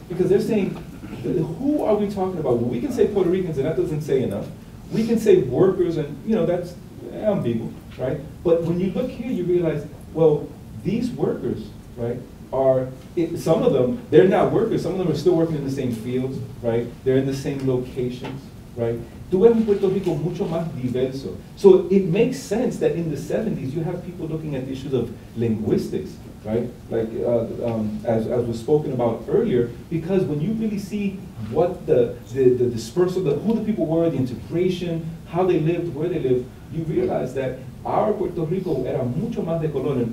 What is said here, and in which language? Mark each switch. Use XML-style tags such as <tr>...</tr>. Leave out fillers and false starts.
<en>Because they're saying, who are we talking about? Well, we can say Puerto Ricans, and that doesn't say enough. We can say workers, and you know, that's ambiguous, right? But when you look here, you realize, well, these workers, right, are, some of them, they're not workers. Some of them are still working in the same fields, right? They're in the same locations, right?</en> <es>Tú ves un Puerto Rico mucho más diverso.</es> <en>So it makes sense that in the 70s, you have people looking at issues of linguistics, right? Like, as was spoken about earlier, because when you really see what the dispersal, who the people were, the integration, how they lived, where they lived, you realize that our Puerto Rico</en> <es>era mucho más de Colón.</es>